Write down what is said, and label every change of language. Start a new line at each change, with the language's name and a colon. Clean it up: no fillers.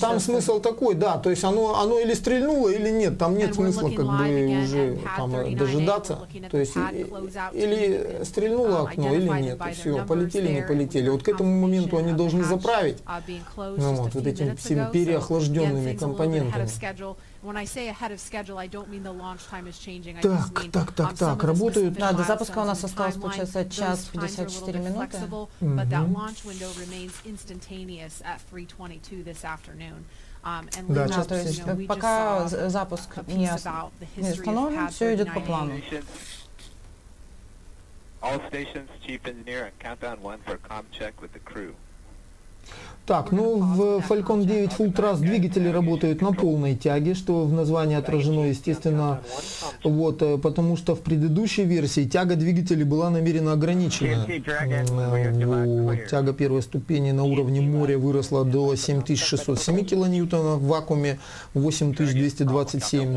Russian: Там смысл такой, да, то есть оно или стрельнуло, или нет, там нет смысла как бы уже там дожидаться. То есть или стрельнуло окно, или нет, все, полетели, не полетели. Вот к этому моменту они должны заправить, ну, вот этими всеми переохлажденными компонентами.
English: When I say ahead of schedule, I don't mean the launch time is changing.
Russian: Так, так, так, так, работают. Да, до запуска у нас осталось, получается, 1:54.
English: But that launch window remains instantaneous at 3:22 this afternoon.
Russian: Да, то есть пока запуск не остановлен, все идет по плану.
English: All stations, chief engineer, countdown one for comm check with the crew.
Russian: Так, ну, в Falcon 9 Full Thrust двигатели работают на полной тяге, что в названии отражено, естественно, вот, потому что в предыдущей версии тяга двигателей была намеренно ограничена. Тяга первой ступени на уровне моря выросла до 7607 кН в вакууме, 8227.